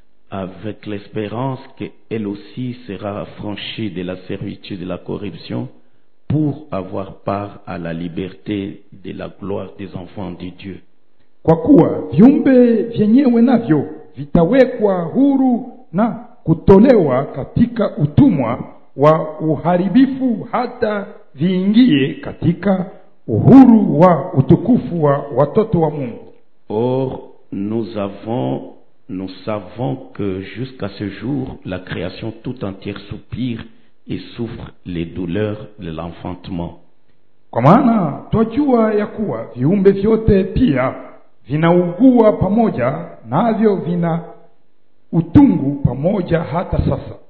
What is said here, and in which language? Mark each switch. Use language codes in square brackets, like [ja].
[fr] Avec l'espérance qu'elle aussi sera franchie de la servitude de la corruption pour avoir part à la liberté de la gloire des enfants de Dieu. [sw] Kwa kuwa viumbe vyenyewe navyo vitawekwa huru na kutolewa katika utumwa wa uharibifu hata viingie katika uhuru wa utukufu wa watoto wa Mungu. [fr] Or, nous savons que jusqu'à ce jour, la création tout entière soupire et souffre les douleurs de l'enfantement. [sw] Kwa maana, twajua ya kuwa viumbe vyote pia vinaugua pamoja navyo vina utungu pamoja hata sasa.